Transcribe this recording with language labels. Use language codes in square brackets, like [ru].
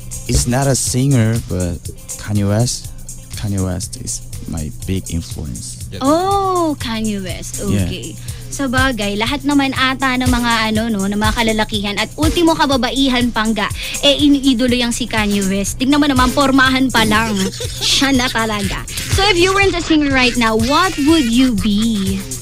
[en] It's not a singer, but Kanye West is my big influence. Oh, Kanye West. Okay. Yeah. [tl] Sabagay, lahat naman ata ng mga ano no, ng mga kalalakihan at ultimo kababaihan pangga, eh iniidolo yang si Kanye West. Tingnan mo naman, pormahan pa lang. Siya na talaga. [en] So if you weren't a singer right now, what would you be?